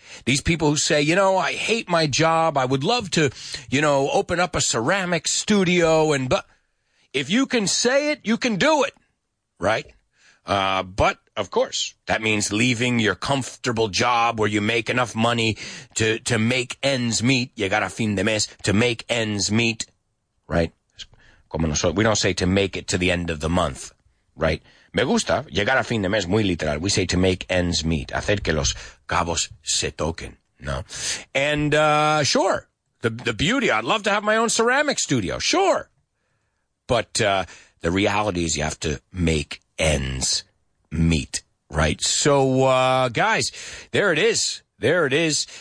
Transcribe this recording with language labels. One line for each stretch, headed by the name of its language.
English: These people who say, you know, I hate my job, I would love to, you know, open up a ceramic studio, and but if you can say it, you can do it, right? But of course, that means leaving your comfortable job where you make enough money to make ends meet. You got a
Spanish: fin de mes
English: to make ends meet, right?
Spanish: Como nosotros,
English: we don't say to make it to the end of the month, right?
Spanish: Me gusta llegar a fin de mes, muy literal.
English: We say to make ends meet,
Spanish: hacer que los cabos se toquen, no?
English: And sure, the beauty, I'd love to have my own ceramic studio, sure. But the reality is you have to make ends meet, right? So, guys, there it is. There it is.